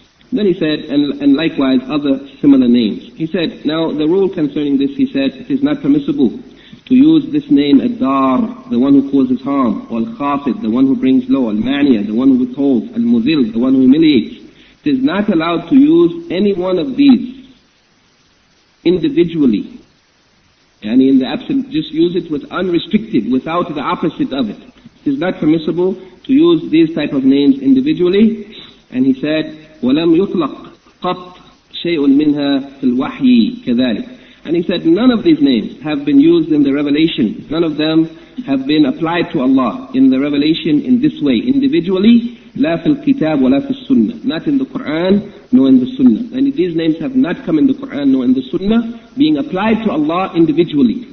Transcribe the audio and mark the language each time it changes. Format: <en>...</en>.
<en>Then he said, and likewise other similar names. He said, now the rule concerning this, he said, it is not permissible to use this name Ad-Dar, the one who causes harm, or Al-Khafid, the one who brings low, Al-Mani'a, the one who withholds, Al-Muzil, the one who humiliates. It is not allowed to use any one of these individually. And in the absence, just use it with unrestricted, without the opposite of it. It is not permissible to use these type of names individually. And he said,</en> <ar>وَلَمْ يُطْلَقْ قَطْ شَيْءٌ مِنْهَا فِي الْوَحْيِ كَذَلِكَ.</ar> <en>And he said, none of these names have been used in the revelation. None of them have been applied to Allah in the revelation in this way, individually.</en> <ar>لَا فِي الْكِتَابِ وَلَا فِي السُّنَّةِ.</ar> <en>Not in the Qur'an, nor in the Sunnah. And these names have not come in the Qur'an, nor in the Sunnah, being applied to Allah individually.</en>